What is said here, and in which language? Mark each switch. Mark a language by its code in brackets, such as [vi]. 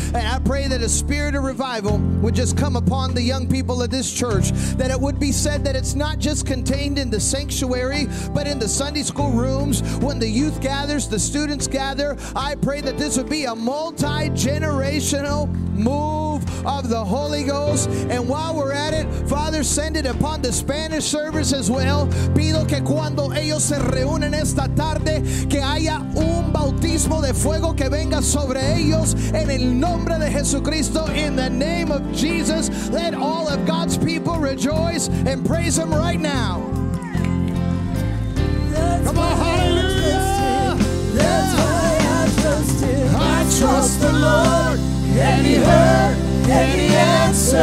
[en] And I pray that a spirit of revival would just come upon the young people of this church, that it would be said that it's not just contained in the sanctuary, but in the Sunday school rooms. When the youth gathers, the students gather, I pray that this would be a multi-generational move of the Holy Ghost. And while we're at it, Father, send it upon the Spanish service as well. [es] Pido que cuando ellos se reúnen esta tarde, que haya un bautismo de fuego que venga sobre ellos en el nombre de Jesucristo. [en] In the name of Jesus, let all of God's people rejoice and praise him right now. That's come on, hallelujah. That's why I trust him. I trust the Lord, and he heard, and he answered.